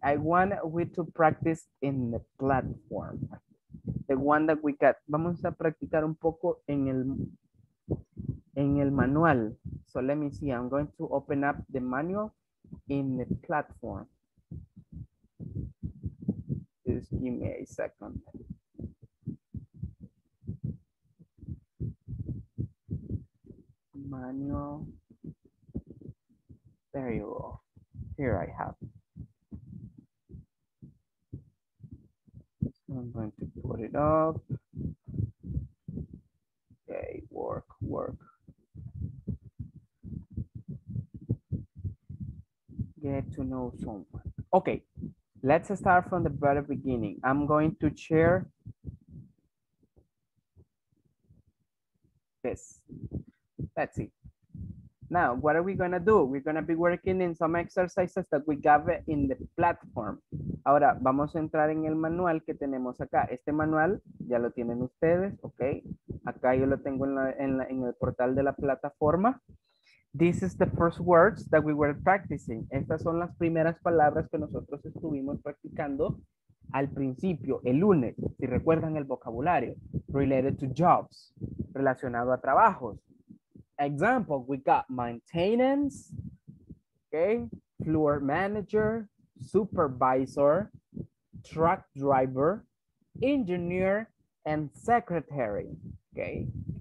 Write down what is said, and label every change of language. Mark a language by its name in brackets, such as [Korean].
[English] I want we to practice in the platform. The one that we got. Vamos a practicar un poco en el manual. So let me see. I'm going to open up the manual in the platform. Just give me a second. Manual. There you go. Here I have. I'm going to put it up. Okay, work. Get to know someone. Okay, let's start from the very beginning. I'm going to share this. Let's see. Now, what are we gonna do? We're gonna be working in some exercises that we have in the platform. [Spanish] Ahora, vamos a entrar en el manual que tenemos acá. Este manual ya lo tienen ustedes, ¿ok? Acá yo lo tengo en el portal de la plataforma. [English] This is the first words that we were practicing. [Spanish] Estas son las primeras palabras que nosotros estuvimos practicando al principio, el lunes. Si recuerdan el vocabulario, [English] related to jobs, [Spanish] relacionado a trabajos. [English] Example, we got maintenance, okay, floor manager, supervisor, truck driver, engineer, and secretary, okay.